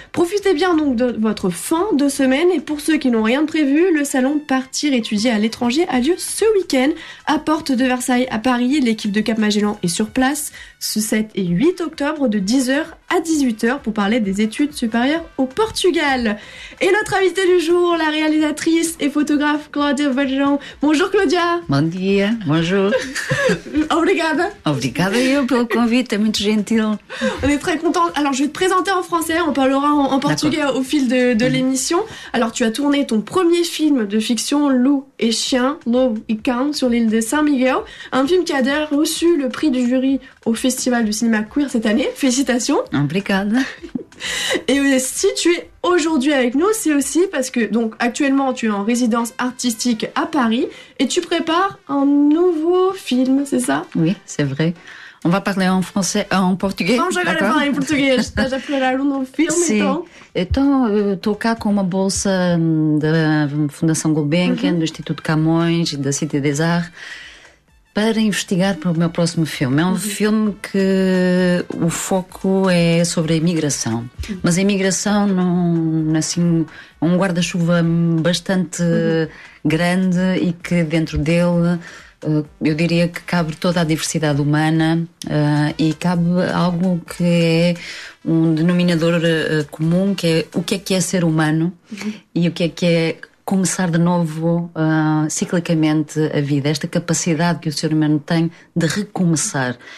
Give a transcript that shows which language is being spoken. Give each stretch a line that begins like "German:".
French: Profitez bien donc de votre fin de semaine. Et pour ceux qui n'ont rien de prévu, le salon Partir étudier à l'étranger a lieu ce week-end à Porte de Versailles, à Paris. L'équipe de Cap Magellan est sur place ce 7 et 8 octobre de 10h à 18h pour parler des études supérieures au Portugal. Et notre invitée du jour, la réalisatrice et photographe Claudia Valjean. Bonjour Claudia.
Portuguese: Bon dia, bonjour. Obrigada. Obrigada eu pelo convite, é muito gentil.
French: On est très contents. Alors je vais te présenter en français, on parlera en portugais. D'accord. Au fil de l'émission. Alors tu as tourné ton premier film de fiction, Loup et Chien, Loup et Cão, sur l'île de Saint-Miguel. Un film qui a d'ailleurs reçu le prix du jury au Festival du cinéma queer cette année. Félicitations.
Portuguese: Obrigada.
French: Et si tu es aujourd'hui avec nous, c'est aussi parce que donc actuellement tu es en résidence artistique à Paris et tu prépares un nouveau film, c'est ça? Oui, c'est vrai. On va parler en français, en portugais. Non, j'avais l'air en portugais. J'ai appris la langue en film. Si.
Portuguese: Então, tô cá com uma bolsa da Fundação Gulbenkian, uh-huh, do Instituto Camões, da Cité des Arts, para investigar para o meu próximo filme. É um, uhum, filme que o foco é sobre a imigração. Uhum. Mas a imigração, não, assim, um guarda-chuva bastante, uhum, grande e que dentro dele, eu diria que cabe toda a diversidade humana e cabe algo que é um denominador comum, que é o que é ser humano, uhum, e o que é começar de novo ciclicamente a vida, esta capacidade que o ser humano tem de recomeçar.